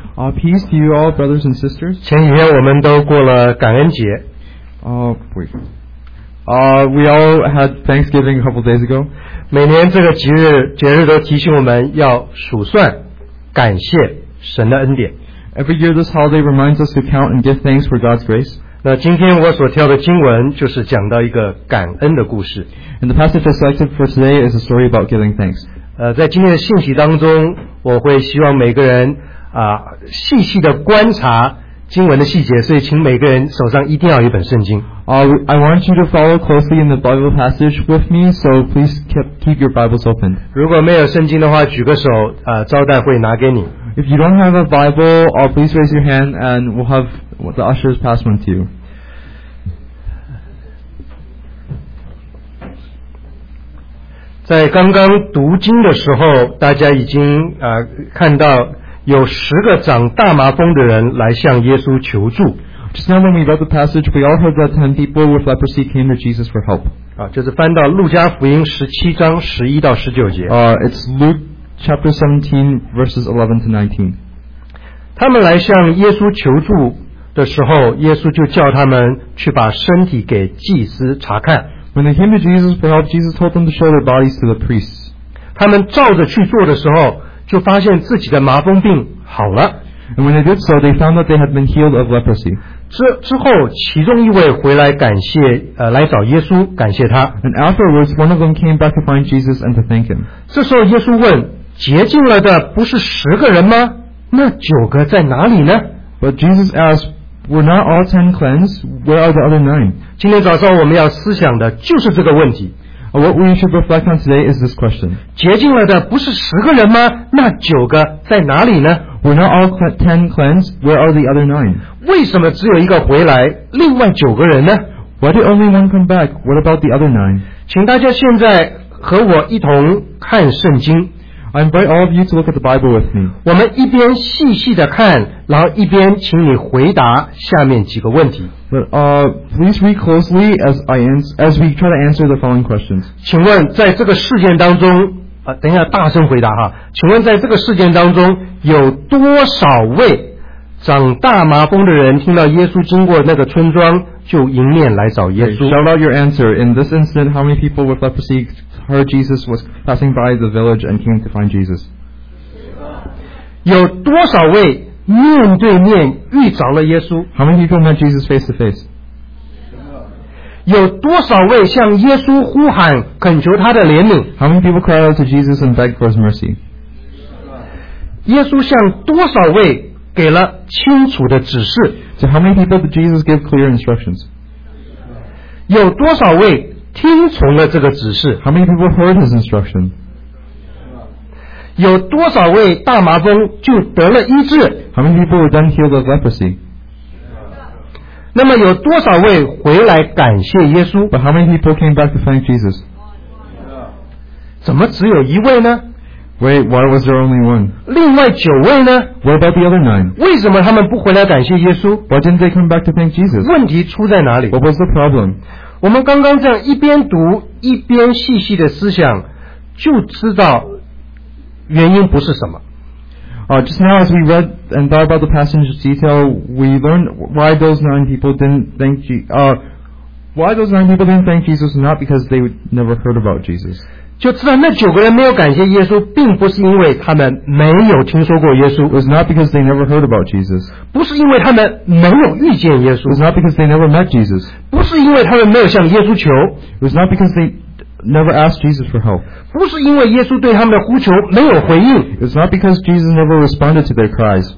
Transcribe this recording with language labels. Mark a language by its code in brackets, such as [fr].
[en] Peace to you all, brothers and sisters. [zh] 前几天我们都过了感恩节。 [en] We all had Thanksgiving a couple days ago. [zh] 每年这个节日都提醒我们要数算，感谢神的恩典。 [en] Every year this holiday reminds us to count and give thanks for God's grace. [zh] 那今天我所挑的经文就是讲到一个感恩的故事。 [en] And the passage selected for today is a story about giving thanks. [zh] 在今天的信息当中，我会希望每个人细细的观察经文的细节，所以请每个人手上一定要有一本圣经。 [en] I want you to follow closely in the Bible passage with me, so please keep your Bibles open. [zh] 如果没有圣经的话，举个手，招待会拿给你。 [en] If you don't have a Bible, please raise your hand and we'll have the ushers pass one to you. [zh] 在刚刚读经的时候，大家已经看到有十个长大麻风的人来向耶稣求助。 [en] Just now when we read the passage, we all heard that 10 people with leprosy came to Jesus for help. [zh] 就是翻到路加福音17章11到19节。 [en] It's Luke chapter 17, verses 11 to 19. [zh] 他们来向耶稣求助的时候，耶稣就叫他们去把身体给祭司查看。 [en] When they came to Jesus for help, Jesus told them to show their bodies to the priests. [zh] 他们照着去做的时候，就发现自己的麻风病好了。 [en] And when they did so, they found that they had been healed of leprosy. [zh] 之后，其中一位回来感谢，来找耶稣感谢他。 [en] And afterwards, one of them came back to find Jesus and to thank him. [zh] 这时候耶稣问，洁净了的不是十个人吗？那九个在哪里呢？ [en] But Jesus asked,We're not all 10 cleansed. Where are the other 9? [zh] 今天早上我们要思想的就是这个问题。 [en] What we should reflect on today is this question. [zh] 洁净了的不是十个人吗？那九个在哪里呢？ [en] We're not all 10 cleansed. Where are the other 9? [zh] 为什么只有一个回来，另外九个人呢？ [en] Why did only one come back? What about the other 9? [zh] 请大家现在和我一同看圣经。 [en] I invite all of you to look at the Bible with me. [zh] 我们一边细细的看，然后一边请你回答下面几个问题。 [en] Please read closely as we try to answer the following questions. [zh] 请问在这个事件当中，等一下大声回答哈。请问在这个事件当中，有多少位长大麻风的人听到耶稣经过那个村庄，就迎面来找耶稣？ [en] Shout out your answer. In this incident, how many people with leprosy? Heard Jesus was passing by the village and came to find Jesus. [zh] 有多少位面对面遇着了耶稣？ [en] How many people met Jesus face to face? [zh] 有多少位向耶稣呼喊，恳求他的怜悯？ [en] How many people cried out to Jesus and begged for his mercy? [zh] 耶稣向多少位给了清楚的指示？ [en] So how many people did Jesus give clear instructions? [zh] 有多少位听从了这个指示？ [en] How many people heard his instruction? [zh] 有多少位大麻风就得了医治？ [en] How many people were then healed of leprosy? [zh] 那么有多少位回来感谢耶稣？ [en] But how many people came back to thank Jesus? [zh] 怎么只有一位呢？ [en] Wait, why was there only one? [zh] 另外九位呢？ [en] What about the other 9? [zh] 为什么他们不回来感谢耶稣？ [en] Why didn't they come back to thank Jesus? [zh] 问题出在哪里？ [en] What was the problem? [zh] 我们刚刚这样一边读一边细细的思想，就知道原因不是什么。 [en] Just now as we read and thought about the passage detail, we learned why those 9 people didn't thank Jesus, not because they never heard about Jesus. [zh] 就知道那九个人没有感谢耶稣，并不是因为他们没有听说过耶稣。 [en] It was not because they never heard about Jesus. [zh] 不是因为他们没有遇见耶稣。 [en] It was not because they never met Jesus. [zh] 不是因为他们没有向耶稣求。 [en] It was not because they never asked Jesus for help. [zh] 不是因为耶稣对他们的呼求没有回应。 [en] It's not because Jesus never responded to their cries.